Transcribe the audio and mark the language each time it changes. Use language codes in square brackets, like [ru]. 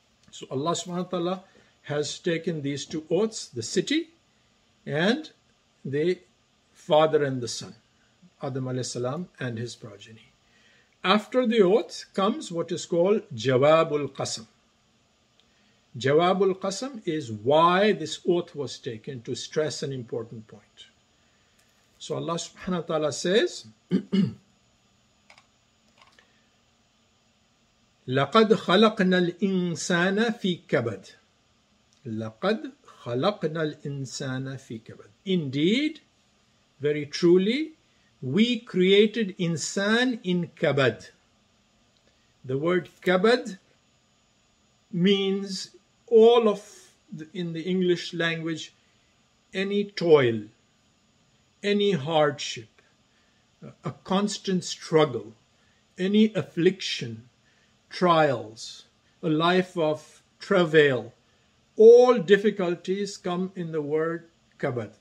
[en] So Allah subhanahu wa ta'ala has taken these two oaths, the city and the father and the son, Adam alayhi salam and his progeny. After the oath comes what is called Jawabul Qasam. Jawabul Qasam is why this oath was taken, to stress an important point. So Allah subhanahu wa ta'ala says, [ar] لَقَدْ خَلَقْنَا الْإِنسَانَ فِي كَبَدْ لَقَدْ خَلَقْنَا الْإِنسَانَ فِي كَبَدْ. [en] Indeed, very truly, we created insan in kabad. The word kabad means all of, in the English language, any toil, any hardship, a constant struggle, any affliction, trials, a life of travail, all difficulties come in the word kabad.